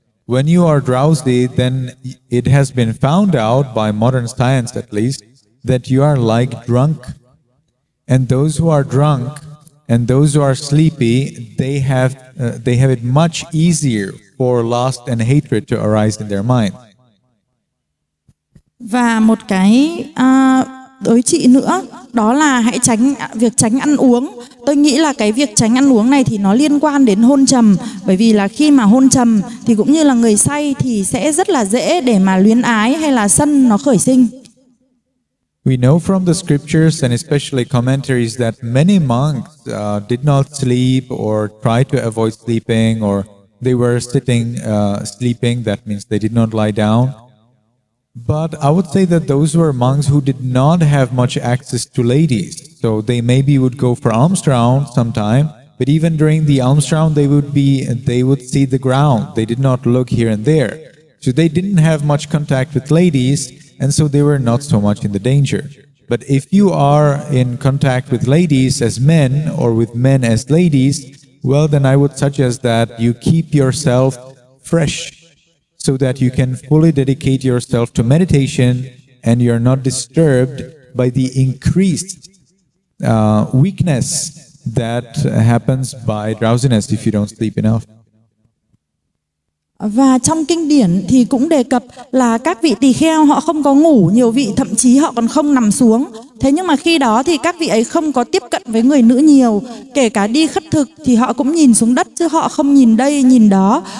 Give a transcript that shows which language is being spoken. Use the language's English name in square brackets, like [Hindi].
[English] When you are drowsy, then it has been found out by modern science at least that you are like drunk. And those who are drunk and those who are sleepy, they have it much easier for lust and hatred to arise in their mind. [Vietnamese] Và một cái đối trị nữa, đó là hãy tránh việc tránh ăn uống. Tôi nghĩ là cái việc tránh ăn uống này thì nó liên quan đến hôn trầm. Bởi vì là khi mà hôn trầm thì cũng như là người say thì sẽ rất là dễ để mà luyến ái hay là sân nó khởi sinh. [English] We know from the scriptures and especially commentaries that many monks did not sleep or try to avoid sleeping, or they were sitting sleeping, that means they did not lie down. But I would say that those were monks who did not have much access to ladies. So they maybe would go for alms round sometime, but even during the alms round they would see the ground. They did not look here and there. So they didn't have much contact with ladies, and so they were not so much in the danger. But if you are in contact with ladies as men or with men as ladies, well then I would suggest that you keep yourself fresh, so that you can fully dedicate yourself to meditation and you're not disturbed by the increased weakness that happens by drowsiness if you don't sleep enough. [Vietnamese] Và trong kinh điển thì cũng đề cập là các vị tỳ kheo họ không có ngủ, nhiều vị thậm chí họ còn không nằm xuống. Thế nhưng mà khi đó thì các vị ấy không có tiếp cận với người nữ nhiều, kể cả đi khất thực thì họ cũng nhìn xuống đất chứ họ không nhìn đây, nhìn đó.